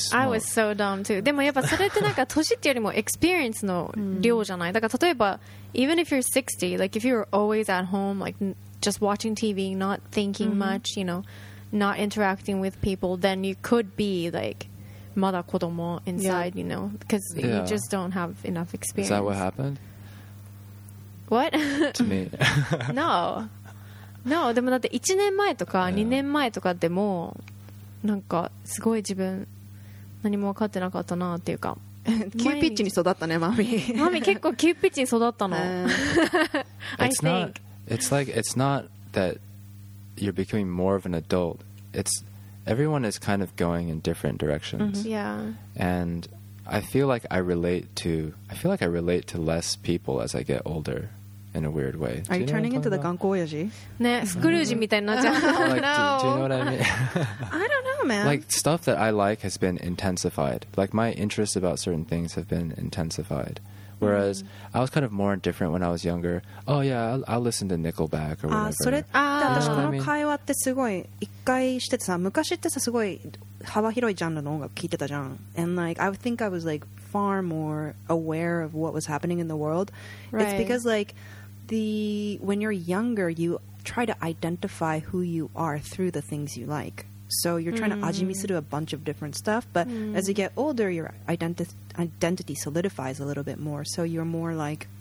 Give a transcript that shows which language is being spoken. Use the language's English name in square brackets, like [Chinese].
[English] I was so dumb too. [Japanese] でもやっぱそれってなんか年ってよりも [English] experience [Japanese] の量じゃない。だから [English] 例えば even if you're 60, like if you're always at home, like just watching TV, not thinking mm-hmm. much, you know, not interacting with people, then you could be like [Japanese] まだ子供 [English] inside, you know, because you just don't have enough experience. Is that what happened? What? To me. No. [Japanese] No, でもだって1年前とか2年前とかでもなんかすごい自分何も分かってなかったなっていうか急ピッチに育ったねマミマミ結構急ピッチに育ったの [English] It's not it's like it's not that you're becoming more of an adult it's everyone is kind of going in different directions mm-hmm. yeah and I feel like I relate to less people as I get older in a weird way. Are you turning into the ganko oyaji? [Japanese] ね、スクルージみたいになっちゃう。 [English] Like, no. Do you know what I mean? I don't know, man. Like, stuff that I like has been intensified. Like, my interest about certain things have been intensified. Whereas, I was kind of more indifferent when I was younger. Oh, yeah, I'll listen to Nickelback or whatever. [Japanese] それって私この会話ってすごい一回しててさ、昔ってさ、すごい幅広いジャンルの音楽聞いてたじゃん。 [English] And like, I think I was like far more aware of what was happening in the world. Right. It's because like, when you're younger, you try to identify who you are through the things you like. So you're trying to ajimi suru a bunch of different stuff, but as you get older, your identity solidifies a little bit more. So you're more like,